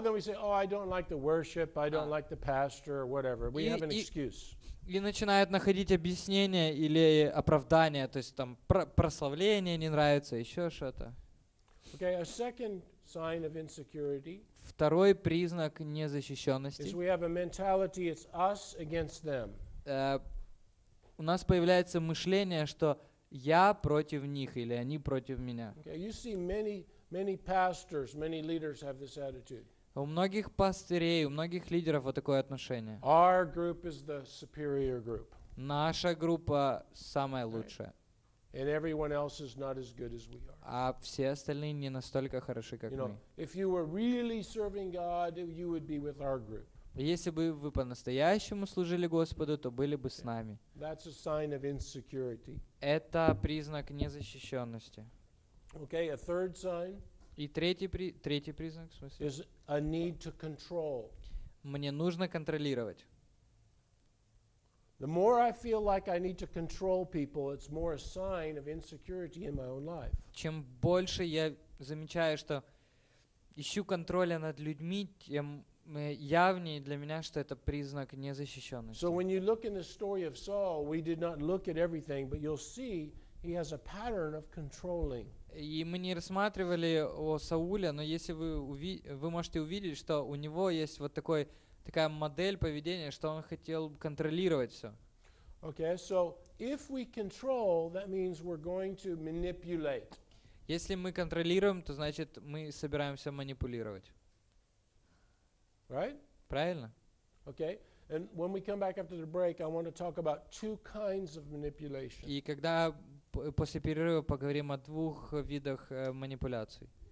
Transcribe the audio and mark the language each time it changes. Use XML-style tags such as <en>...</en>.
<en>then we say, oh, I don't like the worship, I don't like the pastor, or whatever. We have an excuse.</en> <ru>И начинают находить объяснение или оправдание, то есть там прославление не нравится, еще что-то.</ru> <en>Okay, a second sign of insecurity.</en> <ru>Второй признак незащищенности.</ru> <en>Is we have a mentality, it's us against them.</en> <ru>У нас появляется мышление, что я против них или они против меня.</ru> <en>Okay, you see many pastors, many leaders have this attitude.</en> <ru>У многих пастырей, у многих лидеров вот такое отношение.</ru> <en>Our group is the superior group.</en> <ru>Наша группа самая лучшая.</ru> <en>Right. And everyone else is not as good as we are.</en> <ru>А все остальные не настолько хороши, как мы.</ru> <en>If you were really serving God, you would be with our group.</en> <ru>Если бы вы по-настоящему служили Господу, то были бы с нами.</ru> <en>That's a sign of insecurity.</en> <ru>Это признак незащищенности.</ru> <en>Okay, a third sign.</en> <ru>И третий признак, в смысле?</ru> <en>Is a need to control.</en> <ru>Мне нужно контролировать.</ru> <en>The more I feel like I need to control people, it's more a sign of insecurity in my own life.</en> <ru>Чем больше я замечаю, что ищу контроля над людьми, тем явнее для меня, что это признак незащищенности.</ru> <en>So when you look in the story of Saul, we did not look at everything, but you'll see he has a pattern of controlling.</en> <ru>И мы не рассматривали о Сауле, но если вы можете увидеть, что у него есть вот такая модель поведения, что он хотел контролировать все.</ru> <en>Okay, so if we control, that means we're going to manipulate.</en> <ru>Если мы контролируем, то значит мы собираемся манипулировать.</ru> <en>Right?</en> <ru>Правильно?</ru> <en>Okay. And when we come back after the break, I want to talk about two kinds of manipulation.</en> <ru>И когда после перерыва поговорим о двух видах манипуляций.</ru>